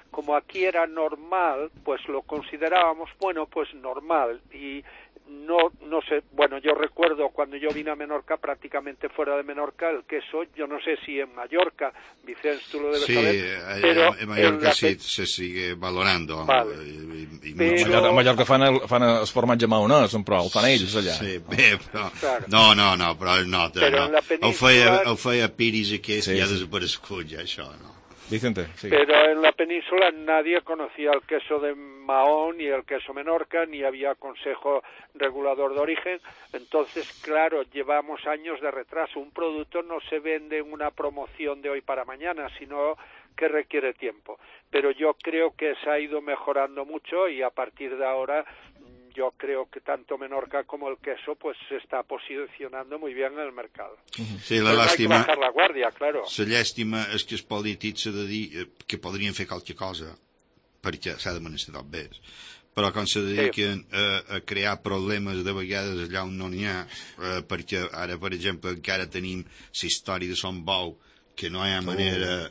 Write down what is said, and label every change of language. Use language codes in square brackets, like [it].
[es] Como aquí era normal, pues lo considerábamos, bueno, pues normal. Y no sé, bueno, yo recuerdo cuando yo vine a Menorca, prácticamente fuera de Menorca, el queso, yo no sé si en Mallorca, Vicenç, tú lo debes saber. Sí, en Mallorca sí, se sigue valorando. Vale. Pero... [ca] Mallorca fan els formatges maonès, però ho fan ells allà. Sí, bé, però... No. Però en la península... Ho feia Piris i queso, sí. Ja desaparegut, ja, això, no? Vicente, sí. [es] Pero en la península nadie conocía el queso de Mahón ni el queso Menorca, ni había consejo regulador de origen. Entonces, claro, llevamos años de retraso. Un producto no se vende en una promoción de hoy para mañana, sino que requiere tiempo. Pero yo creo que se ha ido mejorando mucho y a partir de ahora yo creo que tanto Menorca como el queso pues se está posicionando muy bien en el mercado. Sí, la lástima... No hay que bajar la guardia, claro. [ca] La llàstima és que es polític s'ha de dir que podrien fer qualque cosa perquè s'ha de manejar tot bé. Però com s'ha de dir que a crear problemes de vegades allà on no n'hi ha, perquè ara, per exemple, encara tenim la història de Sant Bou, que no hi ha manera